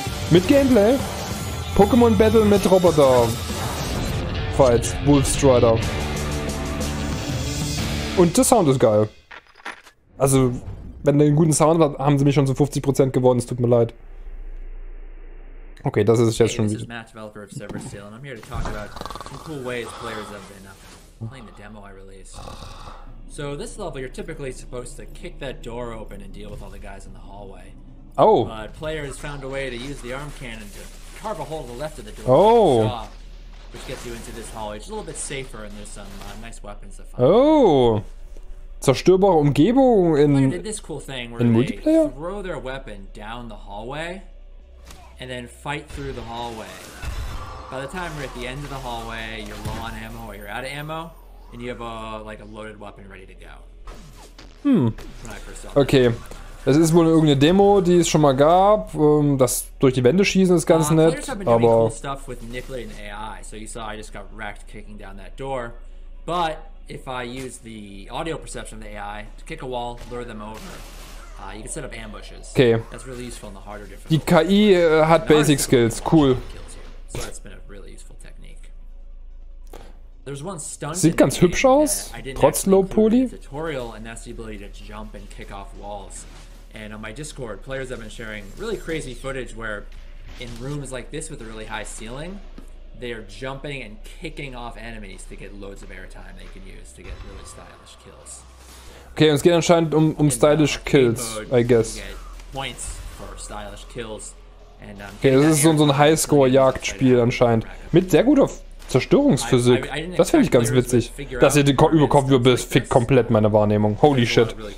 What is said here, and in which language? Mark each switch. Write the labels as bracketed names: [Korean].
[German] Mit Gameplay. Pokémon Battle mit Roboter. Fights. Wolfstrider. Und der Sound ist geil. Also, wenn der einen guten Sound hat, haben sie mich schon zu 50% gewonnen. Es tut mir leid. Okay, das ist jetzt schon wieder. [English] Matt, Developer of Server Steel, and I'm here to talk about some cool ways players have been playing the demo I released. So this level, you're typically supposed to kick that door open and deal with all the guys in the hallway. Oh. But players found a way to use the arm cannon to carve a hole to the left of the door. Oh. Stop, which gets you into this hallway. It's a little bit safer, and there's some nice weapons to find. [German] Oh. Zerstörbare Umgebung in. [English] The player did this cool thing where they throw their weapon down the hallway. And then fight through the hallway. By the time you're at the end of the hallway, you're low on ammo or you're out of ammo, and you have a loaded weapon ready to go. Hm. Okay. [German] Das ist wohl irgendeine Demo, die es schon mal gab. Das durch die Wände schießen ist ganz nett, aber [English] cool stuff with manipulating AI. So you saw I just got wrecked kicking down that door. But if I use the audio perception of the AI to kick a wall, lure them over. You can set up ambushes. Okay. That's really useful in the harder difficulty. [German] Die KI hat basic skills. Cool. [English] So that's been a really useful technique. There's one stunt. [German] Sieht ganz hübsch aus. Trotz low poly. [English] Tutorial and that's the ability to jump and kick off walls. And on my Discord, players have been sharing really crazy footage where in rooms like this with a really high ceiling, they are jumping and kicking off enemies to get loads of airtime they can use to get really stylish kills. [German] Okay, und es geht anscheinend um stylish kills, [English] I guess. [German] Okay, das ist so ein Highscore-Jagdspiel anscheinend. Mit sehr guter Zerstörungsphysik. Das finde ich ganz witzig. Dass ihr den über Kopf bist, fickt komplett meine Wahrnehmung. [English] Holy shit.